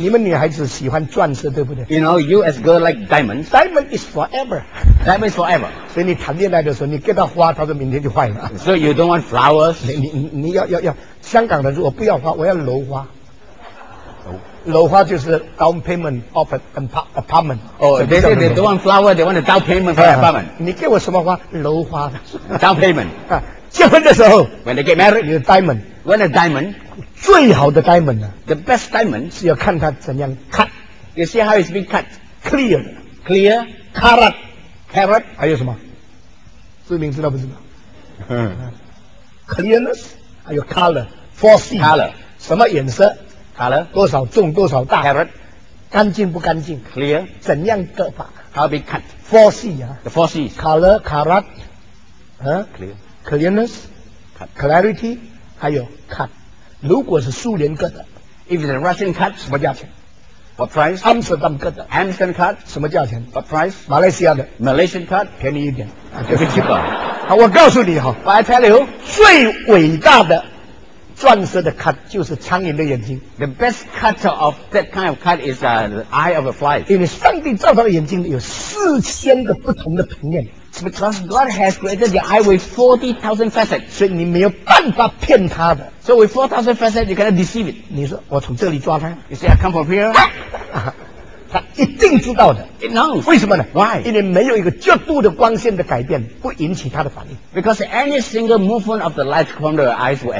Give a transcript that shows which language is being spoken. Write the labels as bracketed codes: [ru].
[zh] 你们女孩子喜欢钻石，对不对 [en] ？You know, you as girl like diamonds. Diamond is forever. Diamond is forever. [zh] 所以你谈恋爱的时候，你给他花，他说明天就坏了。 [en] So you don't want flowers. [zh] 你要香港的，我不要花，我要楼花。楼花就是 [en] down payment of an apartment. Oh, they don't want flower, they want a down payment for an apartment. [zh] 你给我什么花？楼花。 [en] Down payment. [zh] 结婚的时候 [en] ，When they get married, the diamond. When a diamond, [zh] 最好的 diamond 呢 [en] ？The best diamond [zh] 是要看它怎样 cut. [en] You see how it's been cut? Clear, clear, carat, carat. [zh] 还有什么？志明知道不知道？ [en] Clearness, [zh] 还有 [en] color, four C. Color, [zh] 什么颜色 [en] ？Color, [zh] 多少重，多少大 [en] ？Carat, [zh] 干净不干净 [en] ？Clear, [zh] 怎样割法 [en] ？How be cut? Four C 啊，The four C's. Color, carat, clear. Clearness, clarity, [zh] 还有 [en] cut. [zh] 如果是苏联割的 [en] ，if the Russian cut, [zh] 什么价钱 [en] ？What price? [zh] Amsterdam 割的 [en] ，Amsterdam cut, [zh] 什么价钱 [en] ？What price? [zh] 马来西亚的 [en] ，Malaysian cut, [zh] 便宜一点 [en] ，very cheaper. [zh] 好，我告诉你哈 [en] ，But I tell you, [zh] 最伟大的钻石的 cut 就是苍蝇的眼睛。 [en] The best cut of that kind of cut is the eye of a fly. [zh] 因为上帝造造的眼睛有四千个不同的平面。 [en] Because God has created the eye with 40,000 facets, [zh] 所以你没有办法骗他的。 [en] So with 4,000 facets, you cannot deceive it. [zh] 你说我从这里抓他 [en] ，You say I come from here. [zh] 他一定知道的。 [en] It knows. [zh] 为什么呢 [en] ？Why? [zh] 因为没有一个角度的光线的改变会引起他的反应。 [en] Because any single movement of the light from the eyes will.